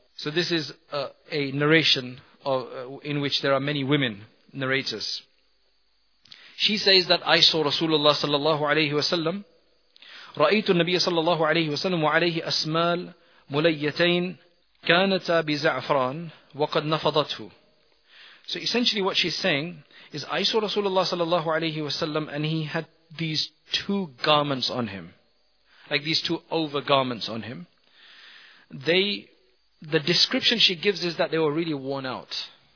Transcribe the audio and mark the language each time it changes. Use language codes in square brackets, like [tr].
[en] So this is a narration of, in which there are many women narrators. She says that I saw Rasulullah sallallahu alayhi wa sallam, [ar] رَأَيْتُ النَّبِيَّ صَلَّى اللَّهُ عَلَيْهِ وَسَلَّمُ وَعَلَيْهِ أَسْمَالْ مُلَيَّتَيْنِ كَانَتَا بِزَعْفَرَانِ وَقَدْ نَفَضَتْهُ. [en] So essentially what she's saying is, I saw Rasulullah sallallahu alayhi wa sallam and he had these two garments on him. Like these two over garments on him. The description she gives is that they were really worn out.